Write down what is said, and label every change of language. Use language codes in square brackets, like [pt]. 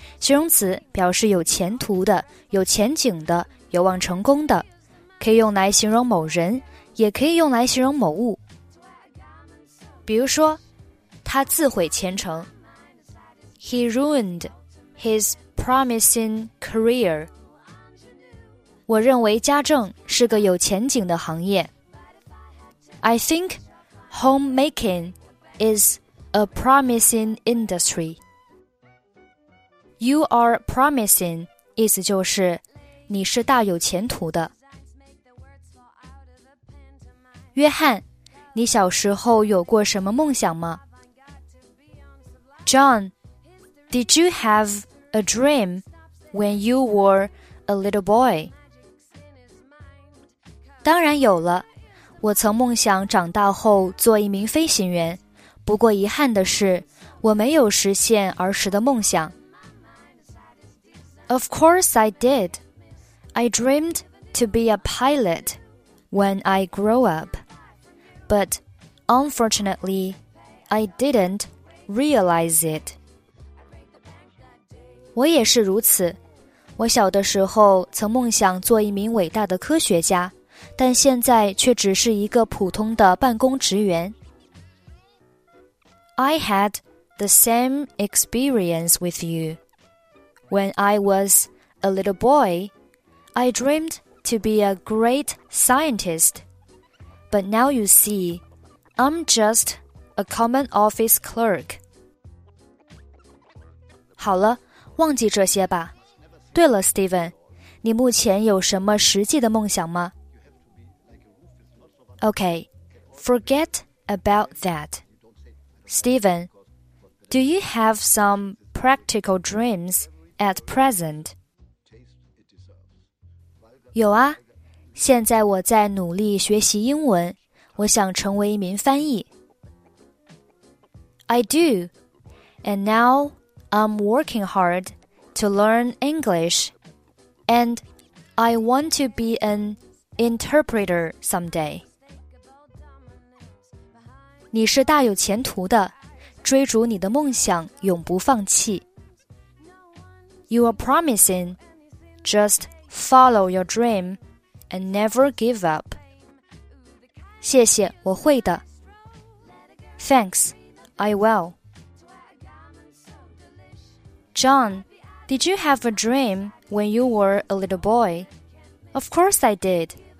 [zh] 形容词表示有前途的，有前景的，有望成功的。可以用来形容某人，也可以用来形容某物。比如说，他自毁前程。 [en] He ruined his promising career. [zh] 我认为家政是个有前景的行业。 [en] I think homemaking is a promising industry. You are promising, [zh] 意思就是你是大有前途的。约翰，你小时候有过什么梦想吗 [en] ？John, did you have a dream when you were a little boy? [zh] 当然有了，我曾梦想长大后做一名飞行员，不过遗憾的是，我没有实现儿时的梦想。 [en] Of course I did. I dreamed to be a pilot when I grow up. But unfortunately, I didn't realize it. [zh] 我也是如此。我小的时候曾梦想做一名伟大的科学家，但现在却只是一个普通的办公职员。 [en] I had the same experience with you. When I was a little boy, I dreamed to be a great scientist. But now you see, I'm just a common office clerk. [zh] 好了，忘记这些吧。对了 ,Steven, 你目前有什么实际的梦想吗 [en] ?Okay, forget about that. Steven, do you have some practical dreams at present? [zh] 有啊，现在我在努力学习英文。我想成为一名翻译。 [en] I do, and now I'm working hard to learn English, and I want to be an interpreter someday. [zh] 你是大有前途的，追逐你的梦想，永不放弃。 [en] You are promising, just follow your dream and never give up. [zh] 谢谢，我会的。 [en] Thanks, I will. John, did you have a dream when you were a little boy? Of course I did.